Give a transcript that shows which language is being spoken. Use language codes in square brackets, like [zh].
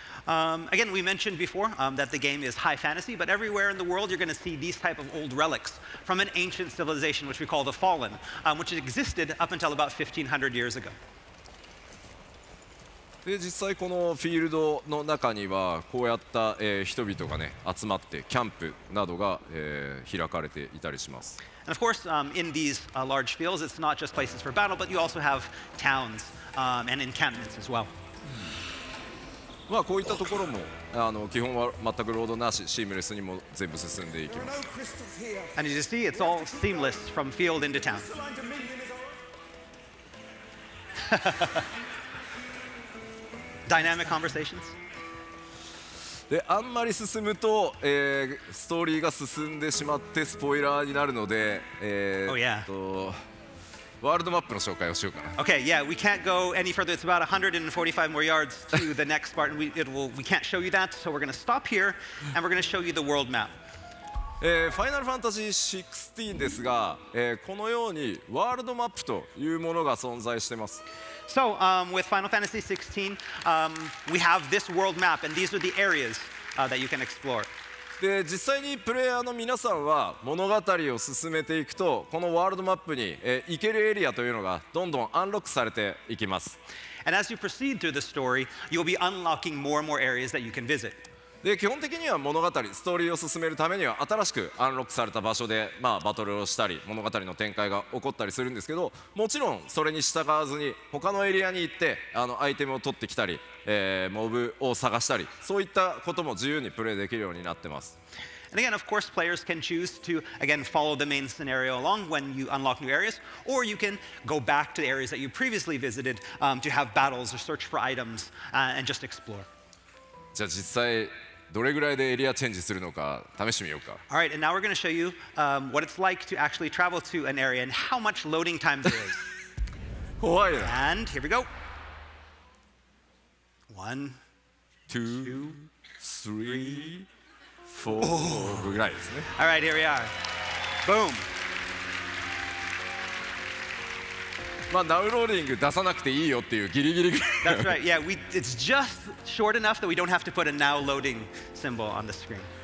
[en] Again, we mentioned before that the game is high fantasy, but everywhere in the world you're going to see these type of old relics from an ancient civilization which we call the Fallen, which existed up until about 1500 years ago. [ja] で実際このフィールドの中にはこうやった、人々が、ね、集まってキャンプなどが、開かれていたりします。 [en] And of course, in these large fields, it's not just places for battle, but you also have towns, and encampments as well. [ja] まあこういったところもあの基本は全くロードなし、シームレスにも全部進んでいきます。 [en] And you see, it's all seamless from field into town. Dynamic conversations. [ja] で、あんまり進むと、ストーリーが進んでしまってスポイラーになるので、 [en] oh, yeah. [ja] ワールドマップの紹介をしようかな。 [en] Okay, yeah, we can't go any further. It's about 145 more yards to the next part, and we can't show you that. So we're going to stop here, and we're going to show you the world map. [ja] Final Fantasy XVI ですが、このようにワールドマップというものが存在しています。 [en] So, with Final Fantasy XVI, we have this world map, and these are the areas that you can explore. [ja] で、実際にプレイヤーの皆さんは物語を進めていくと、このワールドマップに、行けるエリアというのがどんどんアンロックされていきます。 [en] And as you proceed through the story, you'll be unlocking more and more areas that you can visit. [ja] で、基本的には物語、ストーリーを進めるためには新しくアンロックされた場所で、まあ、バトルをしたり、物語の展開が起こったりするんですけど、もちろんそれに従わずに他のエリアに行って、あのアイテムを取ってきたり、モブを探したり、そういったことも自由にプレイできるようになってます。 [en] And again, of course, players can choose to, again, follow the main scenario along when you unlock new areas, or you can go back to the areas that you previously visited, to have battles or search for items, and just explore. [ja] じゃあ実際どれぐらいでエリアチェンジするのか試してみようか。 [en] All right, and now we're going to show you what it's like to actually travel to an area and how much loading time there is. [ja] 怖いな。 [en] And here we go. One, two, three, four. [ja] ぐらいですね。 [en] All right, here we are. Boom. [ja] まあ、ダウンローディング出さなくていいよっていうギリギリ。 [en] That's right. Yeah, it's just short enough that we don't have to put a now loading symbol on the screen.